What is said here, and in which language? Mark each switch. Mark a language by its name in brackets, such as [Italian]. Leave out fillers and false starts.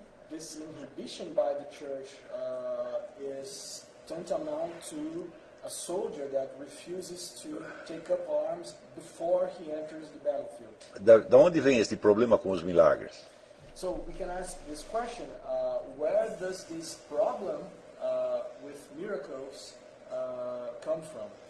[English] This inhibition by the church is tantamount to a soldier that refuses to take up arms before he enters the battlefield. [Portuguese] Da onde vem esse problema com os milagres? [English] So we can ask this question, where does this problem with miracles come from?